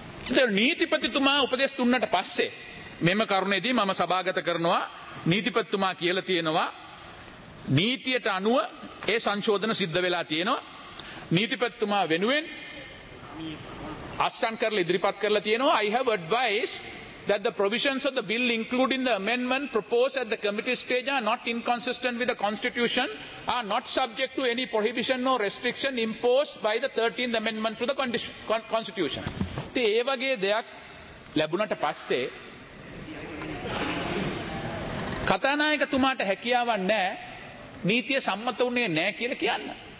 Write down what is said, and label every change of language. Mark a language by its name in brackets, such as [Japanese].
[Sinhala] ඉතින් නීතිපතිතුමා උපදෙස් දුන්නට පස්සේ මෙම කරුණේදී මම සභාගත කරනවා නීතිපතිතුමා කියලා තියෙනවා. නීතියට අනුව ඒ සංශෝධන සිද්ධ වෙලා තියෙනවා. නීතිපතිතුමා වෙනුවෙන් අස්සම් කරලා ඉදිරිපත් කරලා තියෙනවා. [English] I have advised that the provisions of the bill including the amendment proposed at the committee stage are not inconsistent with the constitution, are not subject to any prohibition or restriction imposed by the 13th amendment to the constitution. [Sinhala] ඉතින් ඒ වගේ දෙයක් ලැබුණට පස්සේ කතානායකතුමාට හැකියාවක් නැහැ නීතිය සම්මත වුණේ නැහැ කියලා කියන්න.